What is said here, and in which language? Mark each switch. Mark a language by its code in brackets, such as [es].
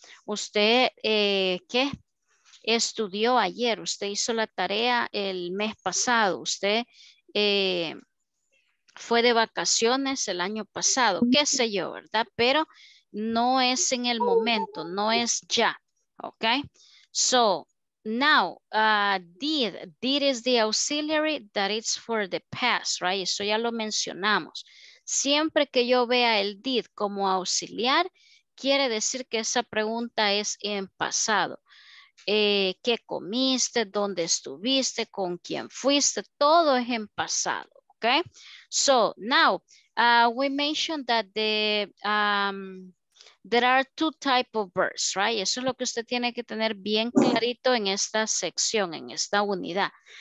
[es] Usted, ¿qué? Estudió ayer, usted hizo la tarea el mes pasado, usted fue de vacaciones el año pasado, qué sé yo, ¿verdad? Pero no es en el momento, no es ya, ¿ok? [en] So, now, did is the auxiliary that it's for the past, right? [es] Eso ya lo mencionamos. Siempre que yo vea el did como auxiliar, quiere decir que esa pregunta es en pasado. ¿Qué comiste? ¿Dónde estuviste? ¿Con quién fuiste? Todo es en pasado, ¿ok? [en] So, now, we mentioned that there are two types of verbs, right? [es] Eso es lo que usted tiene que tener bien clarito en esta sección, en esta unidad.